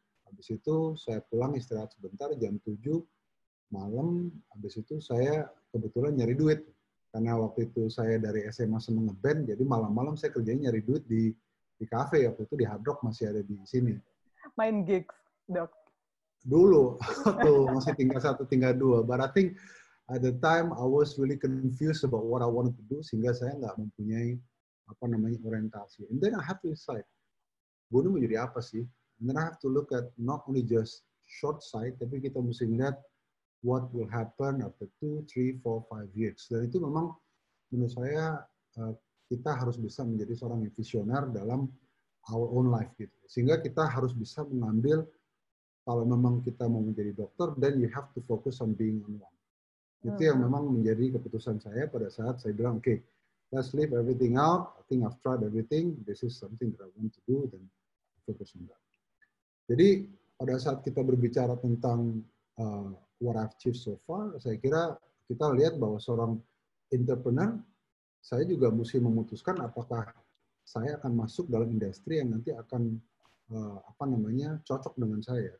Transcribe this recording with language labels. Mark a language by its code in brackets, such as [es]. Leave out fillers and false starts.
[id] Habis itu saya pulang istirahat sebentar, jam 7 malam. Habis itu saya kebetulan nyari duit. Karena waktu itu saya dari SMA seneng ngeband, jadi malam-malam saya kerjanya nyari duit di kafe. Waktu itu di Hard Rock masih ada di sini. Main gigs, dok? Dulu, waktu masih tingkat 1, tingkat 2. [en] But I think at the time I was really confused about what I wanted to do, [id] sehingga saya nggak mempunyai apa namanya orientasi. [en] And then I have to decide, [id] gue ini mau jadi apa sih? [en] And then I have to look at not only just short sight, [id] tapi kita mesti lihat [en] what will happen after 2, 3, 4, 5 years. [id] Dan itu memang menurut saya kita harus bisa menjadi seorang visioner dalam [en] our own life [id] gitu. Sehingga kita harus bisa mengambil, kalau memang kita mau menjadi dokter, [en] then you have to focus on being on one. [id] Itu yang memang menjadi keputusan saya pada saat saya bilang, [en] okay, let's leave everything out. I think I've tried everything. This is something that I want to do, then focus on that. [id] Jadi pada saat kita berbicara tentang [en] what I've achieved so far, [id] saya kira kita lihat bahwa seorang entrepreneur, saya juga mesti memutuskan apakah saya akan masuk dalam industri yang nanti akan apa namanya cocok dengan saya.